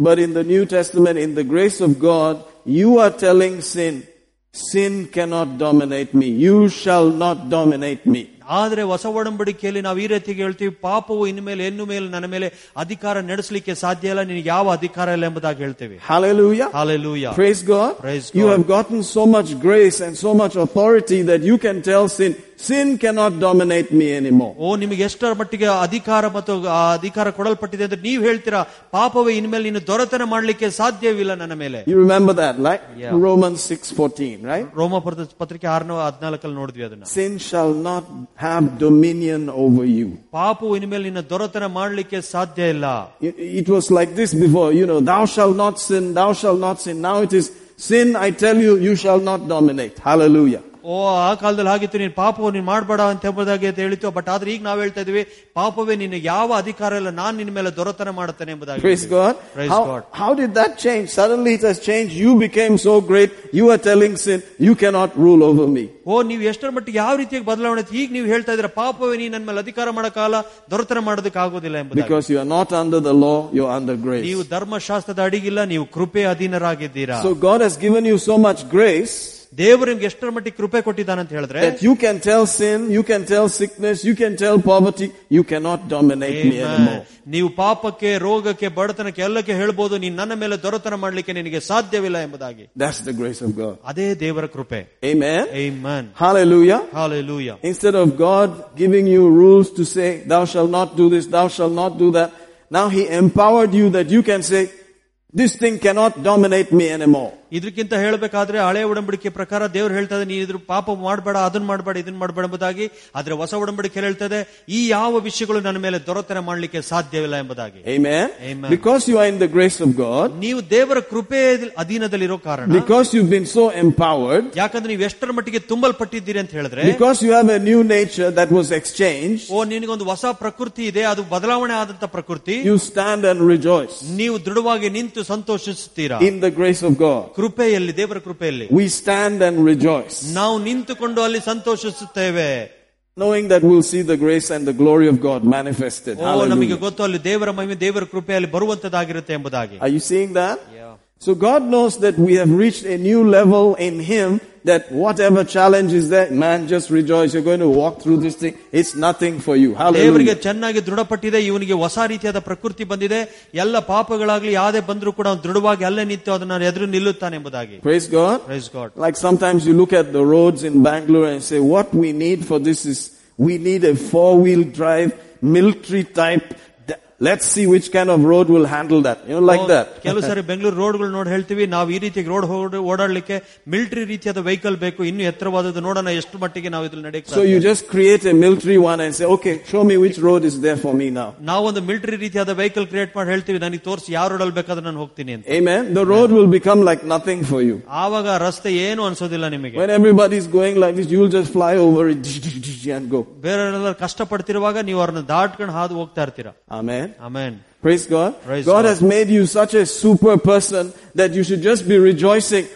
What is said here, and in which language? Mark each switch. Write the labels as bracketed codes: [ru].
[en] But in the New Testament in the grace of God you are telling sin, sin cannot dominate me, you shall not dominate me. [kn] ಆದರೆ ಹೊಸ ಒಡಂಬಡಿಕೆಯಲ್ಲಿ ನಾವು ಈ ರೀತಿಗೆ ಹೇಳ್ತೀವಿ, ಪಾಪವು ಇನ್ಮೇಲೆ ಹೆಣ್ಣು ಮೇಲೆ ನನ್ನ ಮೇಲೆ ಅಧಿಕಾರ ನಡೆಸಲಿಕ್ಕೆ ಸಾಧ್ಯ ಇಲ್ಲ, ನಿನಗೆ ಯಾವ ಅಧಿಕಾರ ಇಲ್ಲ ಎಂಬುದಾಗಿ ಹೇಳ್ತೀವಿ. [en] Hallelujah. Hallelujah. Praise God. Praise God. You have gotten so much grace and so much authority that you can tell sin, sin cannot dominate me anymore. [kn] ಓ ನಿಮಗೆ ಎಷ್ಟರ ಮಟ್ಟಿಗೆ ಅಧಿಕಾರ ಮತ್ತು ಅಧಿಕಾರ ಕೊಡಲ್ಪಟ್ಟಿದೆ ಅಂತ ನೀವು ಹೇಳ್ತೀರಾ, ಪಾಪವೇ ಇನ್ಮೇಲೆ ನೀನು ದೊರೆತನ ಮಾಡಲಿಕ್ಕೆ ಸಾಧ್ಯವಿಲ್ಲ ನನ್ನ ಮೇಲೆ. [en] You remember that, right? Romans 6:14, right? [kn] ರೋಮ ಪತ್ರಿಕೆ 6:14 ನೋಡಿದ್ವಿ ಅದನ್ನ. [en] Sin shall not have dominion over you. [kn] ಪಾಪವು ಇನ್ಮೇಲೆ ನಿನ್ನ ದೊರೆತನ ಮಾಡಲಿಕ್ಕೆ ಸಾಧ್ಯ ಇಲ್ಲ. [en] It was like this before, you know, thou shall not sin, thou shall not sin. Now it is sin, I tell you, you shall not dominate. Hallelujah. [kn] ಓ ಆ ಕಾಲದಲ್ಲಿ ಆಗಿತ್ತು, ನೀನ್ ಪಾಪವು ನೀನ್ ಮಾಡಬೇಡ ಅಂತ ಎಂಬುದಾಗಿ ಹೇಳಿತ್ತು. ಬಟ್ ಆದ್ರೆ ಈಗ ನಾವ್ ಹೇಳ್ತಾ ಇದೀವಿ, ಪಾಪವೇ ನಿನ್ನ ಯಾವ ಅಧಿಕಾರ ಇಲ್ಲ, ನಾನು ನಿನ್ನ ಮೇಲೆ ದೊರೆತನ ಮಾಡುತ್ತೇನೆ ಎಂಬುದಾಗಿ. [en] Praise God. Praise God. How did that change? Suddenly it has changed. You became so great. You are telling sin, you cannot rule over me. [kn] ಓ ನೀವು ಎಷ್ಟರ ಮಟ್ಟಿಗೆ ಯಾವ ರೀತಿಯಾಗಿ ಬದಲಾವಣೆ ಆಯ್ತು, ಈಗ ನೀವು ಹೇಳ್ತಾ ಇದ್ರೆ ಪಾಪವೇ ನೀನ್ ನನ್ನ ಮೇಲೆ ಅಧಿಕಾರ ಮಾಡಕ್ಕಾಗಲ್ಲ, ದೊರೆತನ ಮಾಡೋದಕ್ಕೆ ಆಗೋದಿಲ್ಲ ಎಂಬುದು. [en] Because you are not under the law, you are under grace. [kn] ನೀವು ಧರ್ಮಶಾಸ್ತ್ರದ ಅಡಿಗಿಲ್ಲ, ನೀವು ಕೃಪೆ ಅಧೀನರಾಗಿದ್ದೀರಾ. [en] So God has given you so much grace. [kn] ದೇವರು ನಿಮ್ಗೆ ಎಷ್ಟರ ಮಟ್ಟಿಗೆ ಕೃಪೆ ಕೊಟ್ಟಿದ್ದಾನೆ ಅಂತ ಹೇಳಿದ್ರೆ, [en] You can tell sin, you can tell sickness, you can tell poverty, you can not dominate me anymore. [kn] ನೀವು ಪಾಪಕ್ಕೆ, ರೋಗಕ್ಕೆ, ಬಡತನಕ್ಕೆ ಎಲ್ಲಕ್ಕೆ ಹೇಳ್ಬೋದು, ನೀನ್ ನನ್ನ ಮೇಲೆ ದೊರೆತನ ಮಾಡಲಿಕ್ಕೆ ನಿನಗೆ ಸಾಧ್ಯವಿಲ್ಲ ಎಂಬುದಾಗಿ. [en] That's the grace of God. [kn] ಅದೇ ದೇವರ ಕೃಪೆ. [en] Amen amen. Hallelujah hallelujah. Instead of God giving you rules to say thou shall not do this, thou shall not do that, now he empowered you that you can say this thing cannot dominate me anymore. [kn] ಇದಕ್ಕಿಂತ ಹೇಳಬೇಕಾದ್ರೆ ಹಳೆ ಒಡಂಬಡಿಕೆ ಪ್ರಕಾರ ದೇವರು ಹೇಳ್ತಾ ಇದೆ, ನೀನು ಇದ್ರ ಪಾಪ ಮಾಡಬೇಡ, ಅದನ್ನ ಮಾಡಬೇಡ, ಇದನ್ನ ಮಾಡಬೇಡ ಎಂಬುದಾಗಿ. ಆದ್ರೆ ಹೊಸ ಒಡಂಬಡಿಕೆ ಹೇಳ್ತಾ ಇದೆ, ಈ ಯಾವ ವಿಷಯಗಳು ನನ್ನ ಮೇಲೆ ದೊರೆತನ ಮಾಡಲಿಕ್ಕೆ ಸಾಧ್ಯವಿಲ್ಲ ಎಂಬುದಾಗಿ. [en] Amen. Because you are in the grace of God. [kn] ನೀವು ದೇವರ ಕೃಪೆ ಅಧೀನದಲ್ಲಿರೋ ಕಾರಣ. [en] Because you've been so empowered. [kn] ಯಾಕಂದ್ರೆ ನೀವು ಎಷ್ಟರ ಮಟ್ಟಿಗೆ ತುಂಬಲ್ಪಟ್ಟಿದ್ದೀರಿ ಅಂತ ಹೇಳಿದ್ರೆ. [en] Because you have a new nature that was exchanged. [kn] ಓ ನಿನಗೆ ಒಂದು ಹೊಸ ಪ್ರಕೃತಿ ಇದೆ, ಅದು ಬದಲಾವಣೆ ಆದಂತ ಪ್ರಕೃತಿ. [en] You stand and rejoice. [kn] ನೀವು ದೃಢವಾಗಿ ನಿಂತು ಸಂತೋಷಿಸುತ್ತೀರಾ. [en] In the grace of God. [kn] ಕೃಪೆಯಲ್ಲಿ, ದೇವರ ಕೃಪೆಯಲ್ಲಿ. [en] We stand and rejoice. [kn] ನಾವು ನಿಂತುಕೊಂಡು ಅಲ್ಲಿ ಸಂತೋಷಿಸುತ್ತೇವೆ. [en] Knowing that we'll see the grace and the glory of God manifested. [kn] ಓ ನಮಗೆ ಗೊತ್ತು, ಅಲ್ಲಿ ದೇವರ ಮಹಿಮೆ, ದೇವರ ಕೃಪೆ ಅಲ್ಲಿ ಬರುವಂತದಾಗಿರುತ್ತೆ ಎಂಬುದಾಗಿ. [en] Are you seeing that? So God knows that we have reached a new level in him, that whatever challenge is there, man, just rejoice, you're going to walk through this thing, it's nothing for you. Hallelujah. [kn] ದೇವರಿಗೆ ಚೆನ್ನಾಗಿ ದೃಢಪಟ್ಟಿದೆ, ಇವನಿಗೆ ಹೊಸ ರೀತಿಯಾದ ಪ್ರಕೃತಿ ಬಂದಿದೆ, ಎಲ್ಲ ಪಾಪಗಳಾಗಲಿ ಯಾವುದೇ ಬಂದರೂ ಕೂಡ ದೃಢವಾಗಿ ಅಲ್ಲೇ ನಿಂತು ಅದನ್ನ ಎದುರು ನಿಲ್ಲುತ್ತಾನೆ ಎಂಬುದಾಗಿ. [en] Praise God. Praise God. Like sometimes you look at the roads in Bangalore and say, what we need for this is, we need a four-wheel drive military type Let's see which kind of road will handle that. You know, like that. [kn] ಕೆಲವು ಸಾರಿ ಬೆಂಗಳೂರು ರೋಡ್ಗಳು ನೋಡಿ ಹೇಳ್ತೀವಿ, ನಾವು ಈ ರೀತಿ road ಓಡಾಡಲಿಕ್ಕೆ military ರೀತಿಯಾದ vehicle ಬೇಕು, ಇನ್ನು ಎತ್ತರವಾದದ್ದು ನೋಡೋಣ ಎಷ್ಟು ಮಟ್ಟಿಗೆ ನಾವು ಇದ್ರಲ್ಲಿ ನಡೆಯುತ್ತೆ. [en] So you just create a military one and say, okay, show me which road is there for me now. [kn] ನಾವು ಒಂದು ಮಿಲಿಟರಿ ರೀತಿಯಾದ ವೆಹಿಕಲ್ ಕ್ರಿಯೇಟ್ ಮಾಡಿ ಹೇಳ್ತೀವಿ, ನನಗೆ ತೋರಿಸಿ ಯಾವ ರೋಡಲ್ಲಿ ಬೇಕಾದ್ರೆ ನಾನು ಹೋಗ್ತೀನಿ ಅಂತ. [en] Amen. The road will become like nothing for you. [kn] ಆವಾಗ ರಸ್ತೆ ಏನು ಅನ್ಸೋದಿಲ್ಲ ನಿಮಗೆ. [en] When everybody is going like this, you will just fly over it and go. [kn] ಬೇರೆಲ್ಲರೂ ಕಷ್ಟಪಡ್ತಿರುವಾಗ ನೀವು ಅವ್ರನ್ನ ದಾಟ್ಕೊಂಡು ಹಾದು ಹೋಗ್ತಾ ಇರ್ತೀರ. [en] Amen. Amen. Praise God. God has made you such a super person that you should just be rejoicing.